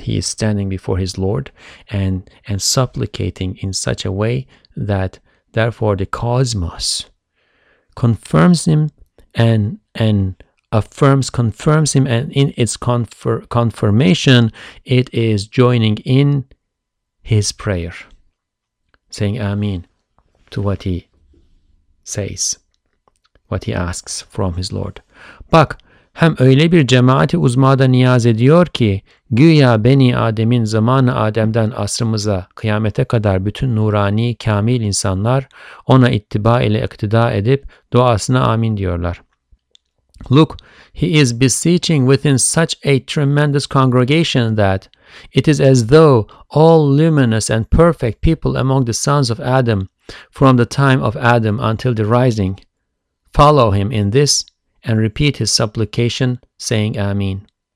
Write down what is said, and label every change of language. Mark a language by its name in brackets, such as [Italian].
[English] He is standing before his Lord and supplicating in such a way that therefore the cosmos confirms him and confirms him, and in its confirmation, it is joining in his prayer, saying Ameen to what he says, what he asks from his Lord. [Turkish] Bak, hem öyle bir cemaati uzmada niyaz ediyor ki, güya beni Adem'in zamanı Adem'den asrımıza, kıyamete kadar bütün nurani, kamil insanlar ona ittiba ile iktida edip duasına amin diyorlar. [English] Look, he is beseeching within such a tremendous congregation that it is as though all luminous and perfect people among the sons of Adam, from the time of Adam until the rising, follow him in this and repeat his supplication, saying Amin.